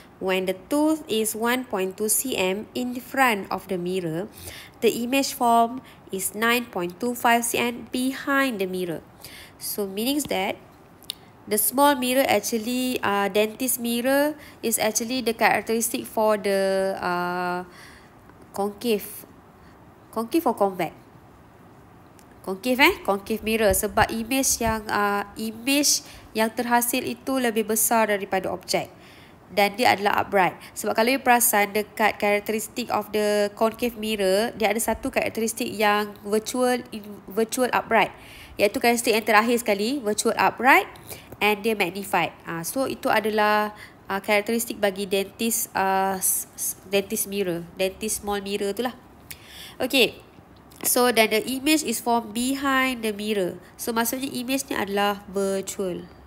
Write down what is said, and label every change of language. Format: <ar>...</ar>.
<en>When the tooth is 1.2 cm in front of the mirror, the image form is 9.25 cm behind the mirror. So, meaning that the small mirror actually, dentist mirror is actually the characteristic for the concave. Concave or convex? Concave eh? Concave mirror.</en> <ms>Sebab image yang terhasil itu lebih besar daripada objek. Dan dia adalah upright. Sebab kalau you perasan dekat karakteristik</ms> <en>of the concave mirror,</en> <ms>dia ada satu karakteristik yang virtual upright. Iaitu karakteristik yang terakhir sekali,</ms> <en>virtual upright and</en> <ms>dia magnified. So itu adalah karakteristik bagi dentist small mirror itulah.</ms> <en>Okay, so then the image is formed behind the mirror.</en> <ms>So maksudnya image ni adalah virtual.</ms>